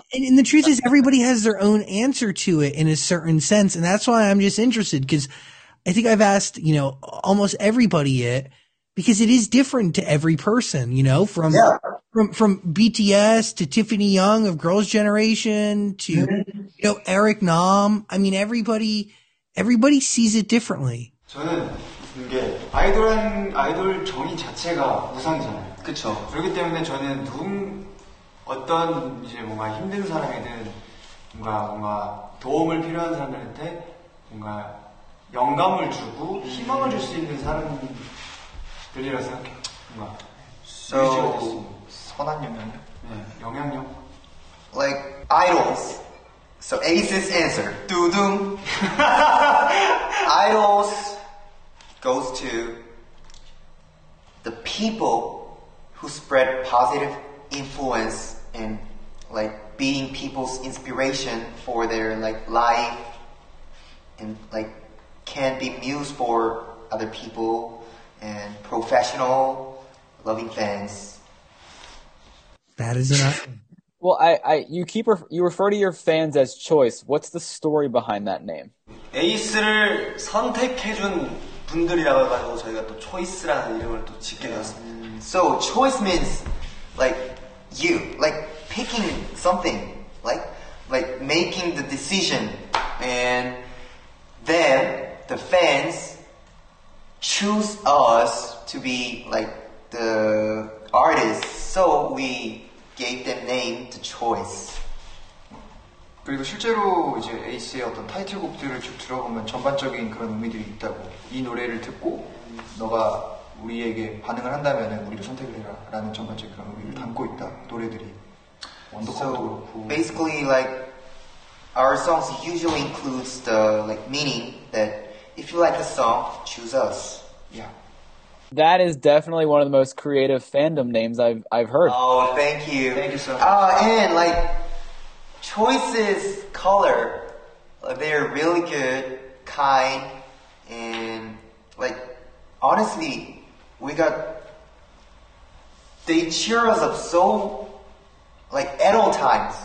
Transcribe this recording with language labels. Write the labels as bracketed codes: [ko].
[en] And the truth is, everybody has their own answer to it in a certain sense, and that's why I'm just interested because I think I've asked, you know, almost everybody it because it is different to every person, you know, from BTS to Tiffany Young of Girls' Generation to you know Eric Nam. I mean, everybody. Everybody sees it differently. [ko] 저는 이게 아이돌한 아이돌 정의 자체가 우상이잖아요. 그렇죠. 그렇기 때문에 저는 누군 어떤 이제 뭔가 힘든 사람이든 뭔가 도움을 필요한 사람들한테 뭔가 영감을 주고 희망을 줄 수 있는 사람들이라고 생각해요. 뭔가 so 선한 영향력? 네, 영향력. [en] Like idols. So Ace's answer. Doodoom. Idols goes to the people who spread positive influence and like being people's inspiration for their like life and like can be muse for other people and professional loving fans. That is enough. Well, you refer to your fans as choice. What's the story behind that name? [ko] Ace를 선택해준 분들이라고 해서 저희가 또 choice라는 이름을 또 짓게 되었습니다. [en] So choice means like you, like picking something, like making the decision, and then the fans choose us to be like the artists. So we gave them name to choice. [ko] 그리고 실제로 이제 에이스의 어떤 타이틀곡들을 쭉 들어보면 전반적인 그런 의미들이 있다고. 이 노래를 듣고 너가 우리에게 반응을 한다면 우리를 선택을 해라 라는 전반적인 그런 의미를 담고 있다. 노래들이 원더콤도 그렇고. [en] So basically like our songs usually includes the like meaning that if you like a song, choose us. Yeah. That is definitely one of the most creative fandom names I've heard. Oh, thank you. Thank you so much. And like choices color, they're really good, kind, and like honestly, they cheer us up so like at all times.